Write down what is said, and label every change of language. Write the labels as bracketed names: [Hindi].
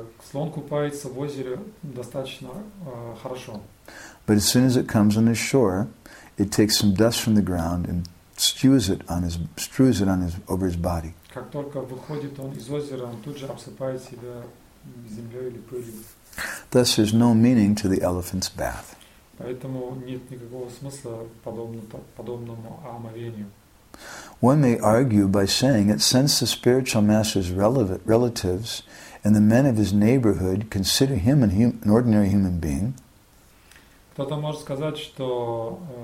[Russian] Слон купается в озере достаточно хорошо. [English] But as soon as it comes on the shore, it takes some dust from the ground and strews it over his body. [Russian] Как только выходит он из озера, он тут же обсыпает себя землей или пылью. [English] Thus, there's no meaning to the elephant's bath. [Russian] Поэтому нет никакого смысла подобному омовению. [English] One may argue by saying that since the spiritual master's relatives and the men of his neighborhood consider him an ordinary human being. [Russian] Кто-то может сказать, что